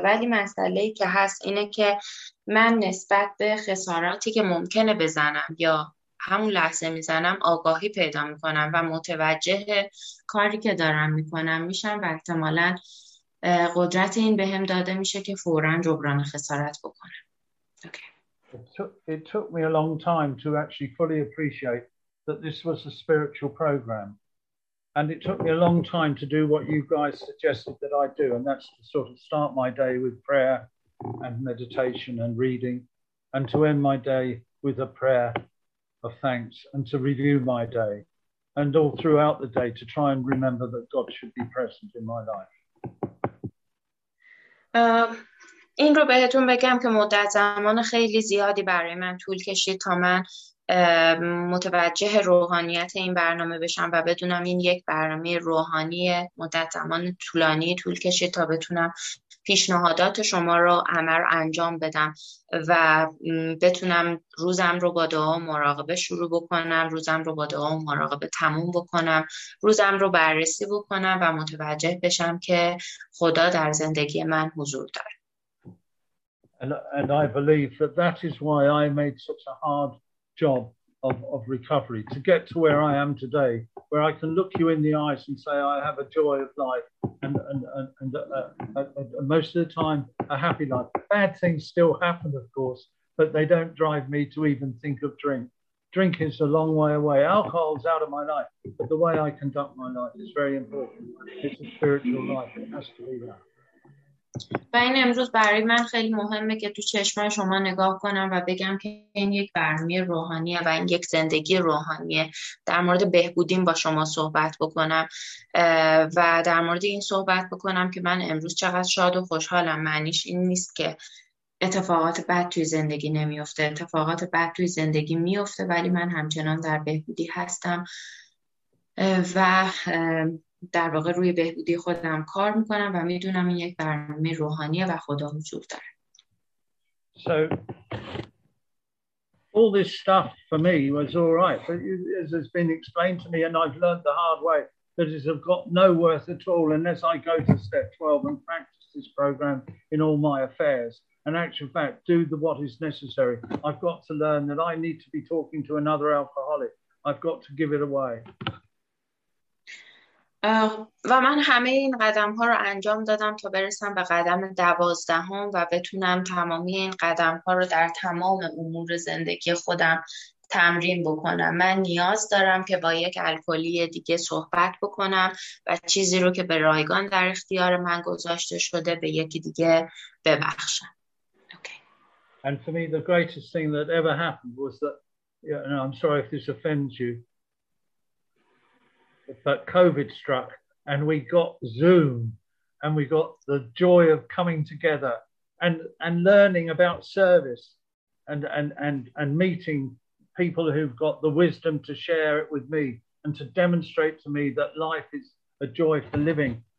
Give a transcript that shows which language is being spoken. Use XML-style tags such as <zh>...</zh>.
<fa>ولی مسئله ای که هست اینه که من نسبت به خساراتی که ممکنه بزنم یا همون لحظه میزنم آگاهی پیدا میکنم و متوجه کاری که دارم میکنم میشم و احتمالا قدرت این به هم داده میشه که فورا جبران خسارت بکنم.</fa> <en>It took me a long time to actually fully appreciate that this was a spiritual program. And it took me a long time to do what you guys suggested that I do, and that's to sort of start my day with prayer and meditation and reading, and to end my day with a prayer of thanks and to review my day, and all throughout the day to try and remember that God should be present in my life.</en> <fa>این رو بهتون بگم که مدت زمان خیلی زیادی برای من طول کشید تا من متوجه روحانیت این برنامه بشم و بدونم این یک برنامه روحانی. مدت زمان طولانی طول کشید تا بتونم پیشنهادات شما رو عمر انجام بدم و بتونم روزم رو با دعا و مراقبه شروع بکنم، روزم رو با دعا و مراقبه تموم بکنم، روزم رو بررسی بکنم و متوجه بشم که خدا در زندگی من حضور داره.</fa> <en>And I believe that that is why I made such a hard job of recovery, to get to where I am today, where I can look you in the eyes and say I have a joy of life and most of the time a happy life. Bad things still happen, of course, but they don't drive me to even think of drink. Drink is a long way away. Alcohol's out of my life, but the way I conduct my life is very important. It's a spiritual life. It has to be that.</en> <fa>و این امروز برای من خیلی مهمه که تو چشمای شما نگاه کنم و بگم که این یک برنامه روحانیه و این یک زندگی روحانیه. در مورد بهبودیم با شما صحبت بکنم و در مورد این صحبت بکنم که من امروز چقدر شاد و خوشحالم. معنیش این نیست که اتفاقات بد توی زندگی نمیفته، اتفاقات بد توی زندگی میفته، ولی من همچنان در بهبودی هستم و در واقع روی بهبودی خودم کار میکنم و میدونم این یک برنامه روحانیه و خدا حضور داره.</fa> <en>So all this stuff for me was all right, but as has been explained to me, and I've learned the hard way, that it has got no worth at all unless I go to step 12 and practice this program in all my affairs. In actual fact, do the what is necessary. I've got to learn that I need to be talking to another alcoholic. I've got to give it away.</en> <fa>و من همه این قدم ها رو انجام دادم تا برسم به قدم 12 و بتونم تمامی این قدم ها رو در تمام امور زندگی خودم تمرین بکنم. من نیاز دارم که با یک الکلی دیگه صحبت بکنم و چیزی رو که به رایگان در اختیار من گذاشته شده به یکی دیگه ببخشم.</fa> <en>And for me, the greatest thing that ever happened was that, you know, I'm sorry if this offends you, but COVID struck and we got Zoom and we got the joy of coming together and learning about service and meeting people who've got the wisdom to share it with me and to demonstrate to me that life is a joy for living.</en>